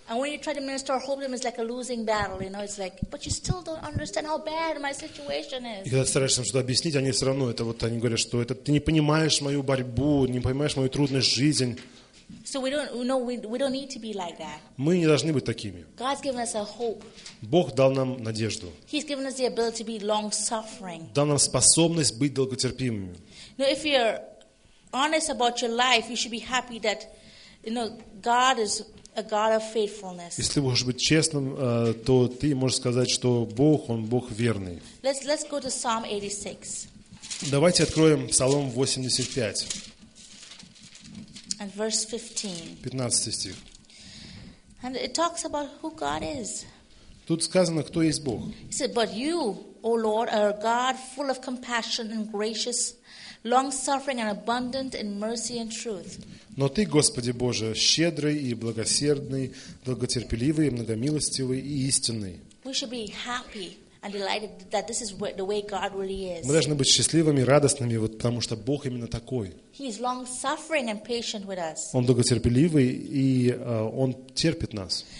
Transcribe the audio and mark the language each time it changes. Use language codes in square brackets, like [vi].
[en] And when you try to minister hope to them, it's like a losing battle, you know, it's like, but you still don't understand how bad my situation is. [ru] И когда стараешься им что-то объяснить, они все равно, это вот, они говорят, что это, ты не понимаешь мою борьбу, не понимаешь мою трудную жизнь. [en] So we don't need to be like that. [ru] Мы не должны быть такими. [en] God's given us a hope. [ru] Бог дал нам надежду. [en] He's given us the ability to be long-suffering. [ru] Дал нам способность быть долготерпимыми. [en] Now, if you're honest about your life, you should be happy that, you know, God is a God of faithfulness. [ru] Если вы хотите быть честным, то ты можешь сказать, что Бог, он Бог верный. [en] Let's go to Psalm 86. [ru] Давайте откроем Псалом 85. [en] And verse 15. [ru] 15 стих. [en] And it talks about who God is. [ru] Тут сказано, кто есть Бог. [en] It says, but you, O Lord, are a God full of compassion and gracious, long-suffering and abundant in mercy and truth. [ru] Но ты, Господи Боже, щедрый и благосердный, долготерпеливый, многомилостивый и истинный. [en] We should be happy and delighted that this is the way God really is. [ru] Мы должны быть счастливыми, радостными, вот потому что Бог именно такой. [en] He is long-suffering and patient with us. [ru] Он долготерпеливый и он терпит нас.